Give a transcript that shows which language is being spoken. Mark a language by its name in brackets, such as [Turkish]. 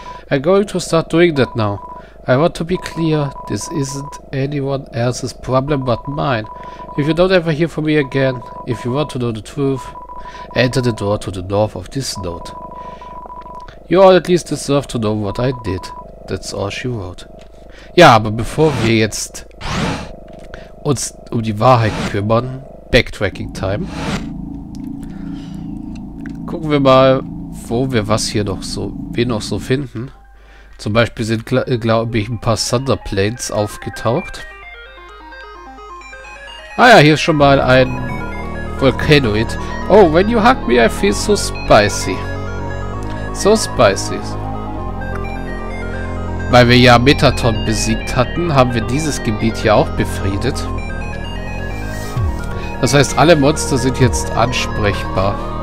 [English] I'm going to start doing that now. I want to be clear, this isn't anyone else's problem but mine. If you don't ever hear from me again, if you want to know the truth, enter the door to the north of this note. You all at least deserve to know what I did. That's all she wrote. [German] Ja, aber bevor wir jetzt uns um die Wahrheit kümmern, Backtracking Time, gucken wir mal, wo wir was hier noch so, wen noch so finden. Zum Beispiel sind, glaube ich, ein paar Thunderplanes aufgetaucht. Ah ja, hier ist schon mal ein Volcanoid. [English] Oh, when you hug me, I feel so spicy. So spicy. [German] Weil wir ja Metaton besiegt hatten, haben wir dieses Gebiet hier auch befriedet. Das heißt, alle Monster sind jetzt ansprechbar.